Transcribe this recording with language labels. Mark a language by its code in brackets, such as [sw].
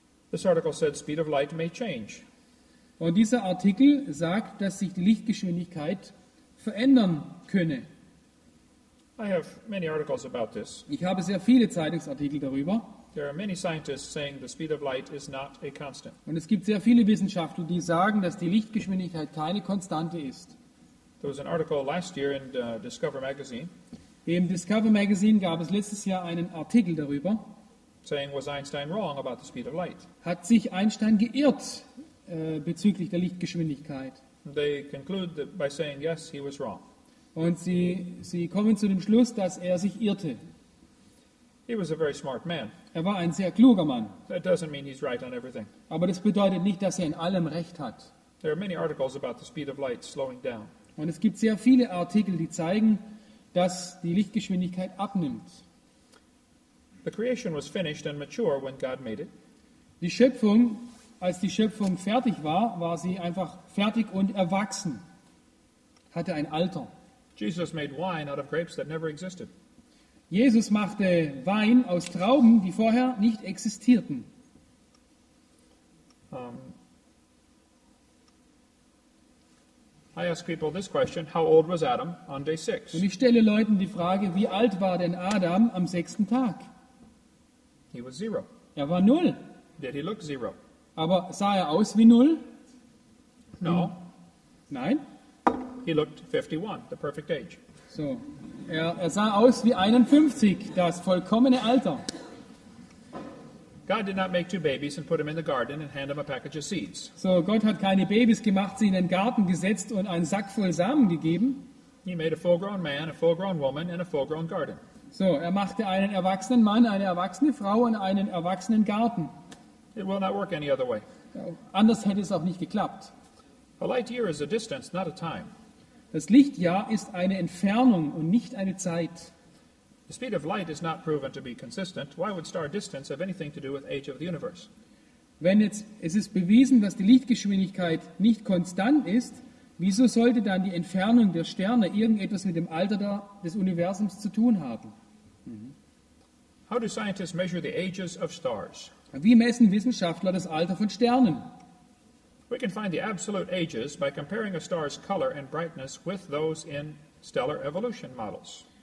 [en] This article said speed of light may change. [de] Und dieser Artikel sagt, dass sich die Lichtgeschwindigkeit verändern könne. [en] I have many articles about this. [de] Ich habe sehr viele Zeitungsartikel darüber. [en] There are many scientists saying the speed of light is not a constant. [de] Und es gibt sehr viele Wissenschaftler, die sagen, dass die Lichtgeschwindigkeit keine Konstante ist. [en] There was an article last year in Discover Magazine. [de] Im Discover Magazine gab es letztes Jahr einen Artikel darüber. [en] Saying was Einstein wrong about the speed of light. [de] Hat sich Einstein geirrt? Bezüglich der Lichtgeschwindigkeit. [en] They conclude that by saying yes, he was wrong. [de] Und sie kommen zu dem Schluss, dass er sich irrte. [en] He was a very smart man. [de] Er war ein sehr kluger Mann. [en] That doesn't mean he's right on everything. [de] Aber das bedeutet nicht, dass er in allem recht hat. [en] There are many articles about the speed of light slowing down. [de] Und es gibt sehr viele Artikel, die zeigen, dass die Lichtgeschwindigkeit abnimmt. [en] The creation was finished and mature when God made it. [de] Als die Schöpfung fertig war, war sie einfach fertig und erwachsen. Hatte ein Alter. [en] Jesus made wine out of grapes that never existed. [de] Jesus machte Wein aus Trauben, die vorher nicht existierten. [en] I ask people this question, how old was Adam on day 6? [de] Und ich stelle Leuten die Frage, wie alt war denn Adam am sechsten Tag? [en] He was zero. [de] Er war null. [en] Did he look zero? [de] Aber sah er aus wie null? [en] No. [de] Nein. [en] He looked 51, the perfect age. [de] So. Er sah aus wie 51, das vollkommene Alter. [en] God did not make two babies and put them in the garden and hand them a package of seeds. [de] So, Gott hat keine Babys gemacht, sie in den Garten gesetzt und einen Sack voll Samen gegeben. [en] He made a full-grown man, a full-grown woman and a full-grown garden. [de] So, er machte einen erwachsenen Mann, eine erwachsene Frau und einen erwachsenen Garten. [en] It will not work any other way. [de] Anders hätte es auch nicht geklappt. [en] A light year is a distance, not a time. [de] Das Lichtjahr ist eine Entfernung und nicht eine Zeit. [en] The speed of light is not proven to be consistent. Why would star distance have anything to do with age of the universe? [de] Wenn jetzt, es ist bewiesen, dass die Lichtgeschwindigkeit nicht konstant ist, wieso sollte dann die Entfernung der Sterne irgendetwas mit dem Alter des Universums zu tun haben? [en] How do scientists measure the ages of stars? [de] Wie messen Wissenschaftler das Alter von Sternen? [en] We can find the absolute ages by comparing a star's color and brightness with those in stellar evolution models.